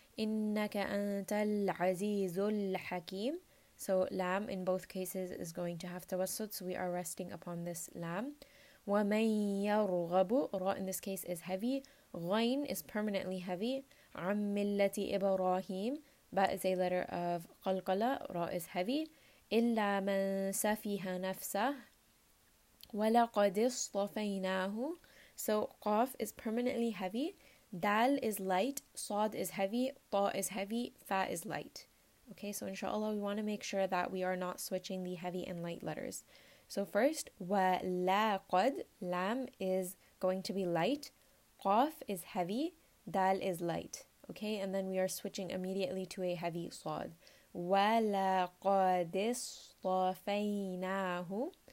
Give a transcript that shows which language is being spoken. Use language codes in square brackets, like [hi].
[ar] إِنَّكَ أَنْتَ الْعَزِيزُ الْحَكِيمُ, [en] so lam in both cases is going to have tawassut, so we are resting upon this lam. [ar] وَمَنْ يَرْغَبُ, [en] ra in this case is heavy. غَيْن is permanently heavy. [ar] عَمْ مِلَّةِ إِبْرَاهِيمُ, [en] ba is a letter of قَلْقَلَة, ra is heavy. [ar] إِلَّا مَنْ سَفِيهَ نَفْسَهُ وَلَقَدِ اصْطَفَيْنَاهُ, [en] so [ar] قَاف is permanently heavy. [en] Dal is light. Sad is heavy. Ta is heavy. Fa is light. Okay, so inshallah, we want to make sure that we are not switching the heavy and light letters. So first, wa la qad, lam is going to be light, qaf is heavy, dal is light. Okay, and then we are switching immediately to a heavy sad. Wa la qad istafainahu.